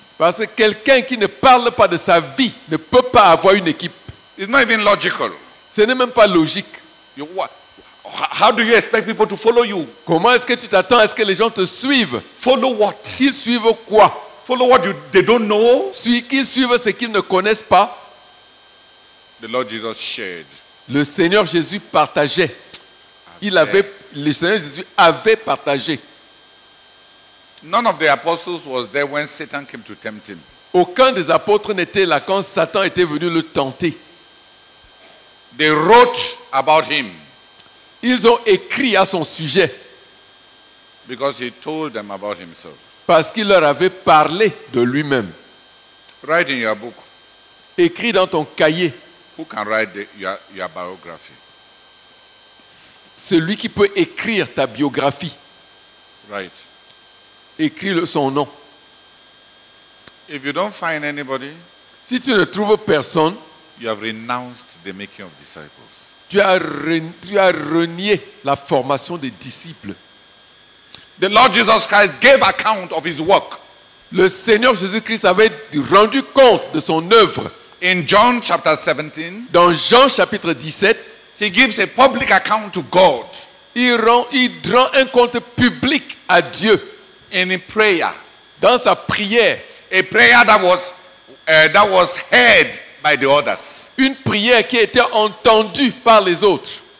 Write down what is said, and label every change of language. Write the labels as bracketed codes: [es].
[fr] Parce que quelqu'un qui ne parle pas de sa vie ne peut pas avoir une équipe. [en] It's not even logical. [fr] Ce n'est même pas logique. [en] You what? How do you expect people to follow you? [fr] Comment est-ce que tu t'attends à ce que les gens te suivent? [en] Follow what? [fr] Ils suivent quoi? [en] Follow what they don't know? [fr] Qu'ils suivent ce qu'ils ne connaissent pas? [en] The Lord Jesus shared. [fr] Le Seigneur Jésus partageait. Le Seigneur Jésus avait partagé. [en] None of the apostles was there when Satan came to tempt him. [fr] Aucun des apôtres n'était là quand Satan était venu le tenter. [en] They wrote about him. [fr] Ils ont écrit à son sujet. [en] Because he told them about himself. [fr] Parce qu'il leur avait parlé de lui-même. [en] Write in your book. [fr] Écris dans ton cahier. [en] Who can write your biography? [fr] Celui qui peut écrire ta biographie. [en] Write. [fr] Écris son nom. [en] If you don't find anybody, [fr] si tu ne trouves personne, [en] you have renounced the making of disciples. [fr] Tu as renié la formation des disciples. [en] The Lord Jesus Christ gave account of his work. [fr] Le Seigneur Jésus-Christ avait rendu compte de son œuvre. [en] In John chapter 17, [fr] dans Jean chapitre 17, [en] he gives a public account to God. [fr] Il rend un compte public à Dieu. [en] In prayer, [fr] dans sa prière, [en] a prayer that was heard by the others. [fr] Une prière qui était entendue par les autres.